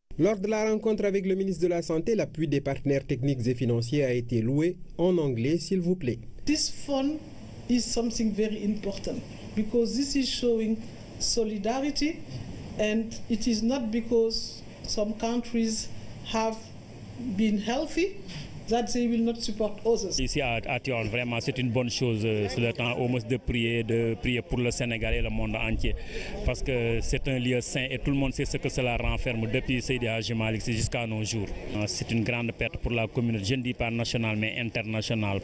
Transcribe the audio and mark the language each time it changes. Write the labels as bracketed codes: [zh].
[fr] Lors de la rencontre avec le ministre de la Santé, l'appui des partenaires techniques et financiers a été loué en anglais, s'il vous plaît. [en] This fund is something very important because this is showing solidarity and it is not because some countries have been healthy that they will not support others. [fr] Ici à Tion, vraiment, c'est une bonne chose. C'est le temps au moins de prier pour le Sénégal et le monde entier. Parce que c'est un lieu saint et tout le monde sait ce que cela renferme depuis Seydi Hadji Malik jusqu'à nos jours. C'est une grande perte pour la communauté, je ne dis pas nationale, mais internationale.